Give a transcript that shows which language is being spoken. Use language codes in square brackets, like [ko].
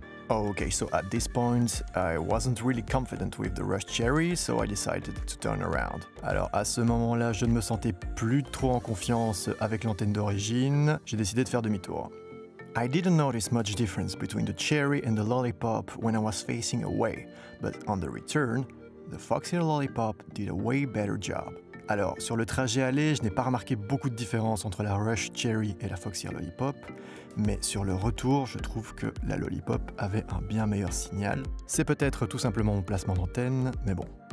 [en] Okay, so at this point, I wasn't really confident with the Rush Cheery, so I decided to turn around. [fr] Alors à ce moment-là, je ne me sentais plus trop en confiance avec l'antenne d'origine. J'ai décidé de faire demi-tour. [en] I didn't notice much difference between the Cheery and the Lollipop when I was facing away, but on the return, the Foxeer Lollipop did a way better job. [fr] Alors sur le trajet aller, je n'ai pas remarqué beaucoup de différence entre la Rush Cheery et la Foxeer Lollipop. Mais sur le retour, je trouve que la Lollipop avait un bien meilleur signal. C'est peut-être tout simplement mon placement d'antenne, mais bon.